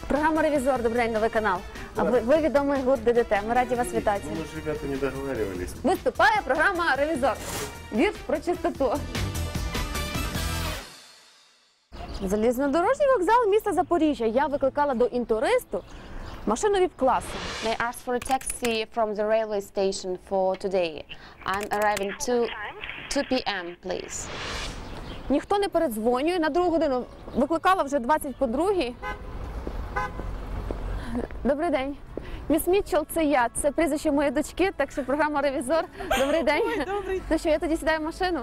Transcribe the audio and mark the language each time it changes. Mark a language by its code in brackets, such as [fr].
[uk] Програма «Ревізор», добрий день, новий канал. А ви відомий гурт ДДТ, ми раді вас вітати. Ми ж, ребята, не договорювалися. Виступає програма «Ревізор». Вірш про чистоту. Залізнодорожній вокзал міста Запоріжжя. Я викликала до інтуристу машину VIP-класу. [en] May I ask for a taxi from the railway station for today? I'm arriving 2 p.m., please. [uk] Ніхто не передзвонює на другу годину. Викликала вже 22-й. Добрий день. Міс Мітчелл, це я. Це прізвище моєї дочки, так що програма «Ревізор». Добрий день. Ой, добрий. Ну що, я тоді сідаю в машину?